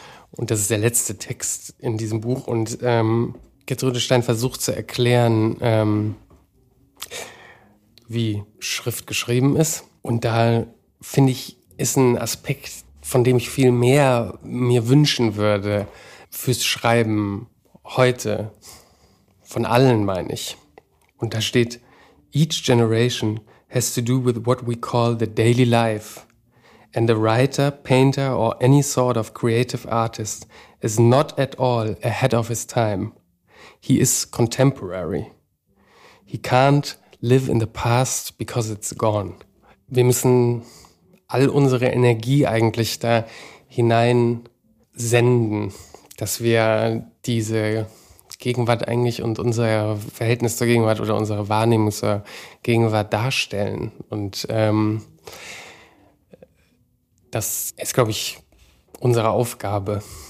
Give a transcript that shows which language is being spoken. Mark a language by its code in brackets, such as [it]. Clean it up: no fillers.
[de] Und das ist der letzte Text in diesem Buch. Und Gertrude Stein versucht zu erklären, wie Schrift geschrieben ist. Und da finde ich, ist ein Aspekt, von dem ich viel mehr mir wünschen würde fürs Schreiben heute. Von allen, meine ich. Und da steht, [en] each generation has to do with what we call the daily life. And the writer, painter or any sort of creative artist is not at all ahead of his time. He is contemporary. He can't live in the past because it's gone. [de] Wir müssen all unsere Energie eigentlich da hinein senden, dass wir diese Gegenwart eigentlich und unser Verhältnis zur Gegenwart oder unsere Wahrnehmung zur Gegenwart darstellen. Und das ist, glaube ich, unsere Aufgabe.